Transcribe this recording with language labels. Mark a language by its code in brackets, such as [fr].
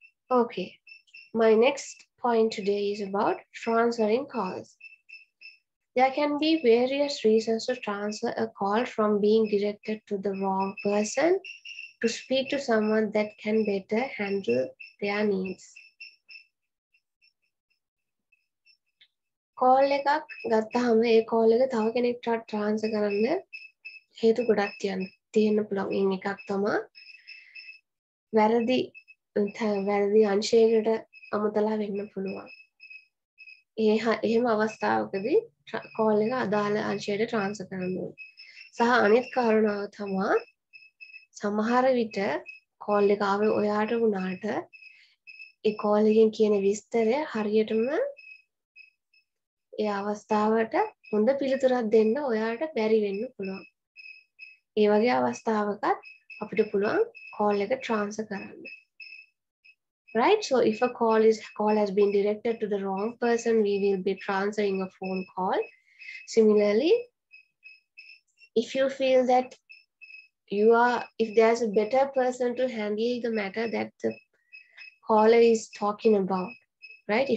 [en] Okay, my next point today is about transferring calls. There can be various reasons to transfer a call from being directed to the wrong person to speak to someone that can better handle their needs. [si] Call එකක් ගත්තාම ඒ call එක තව කෙනෙක්ට transfer කරන්න හේතු ගොඩක් තියෙන්න පුළුවන්. ඒ එකක් තමයි වැරදි වැරදි අංශයකට අමතලා වෙන්න පුළුවන්. එහෙම අවස්ථාවකදී call එක අදාළ අංශයට transfer කරන්න ඕනේ. සහ අනිත් කාරණාව තමයි සමහර විට call එක ආවේ ඔයාට වුණාට ඒ call එකෙන් කියන විස්තරය හරියටම ඒ අවස්ථාවට හොඳ පිළිතුරක් දෙන්න ඔයාට බැරි වෙන්න පුළුවන්. ඒ වගේ අවස්ථාවකත් අපිට පුළුවන් call එක transfer කරන්න. [en] Right, so if a call has been directed to the wrong person, we will be transferring a phone call. Similarly, if you feel that if there's a better person to handle the matter that the caller is talking about, right?